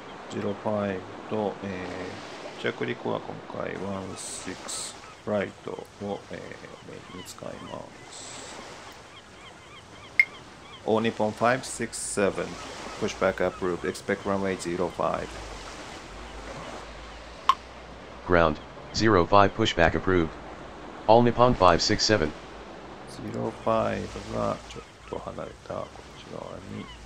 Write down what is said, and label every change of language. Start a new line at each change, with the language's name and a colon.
Japanese: 05と、着陸は今回16ライトを、メインに使います。
English: オーニッポン567、プッシュバックアプローブ、エクスペクランウェイ05。 Ground, 05 pushback approved. All Nippon 567.
Japanese: 05がちょっと離れたこっち側に。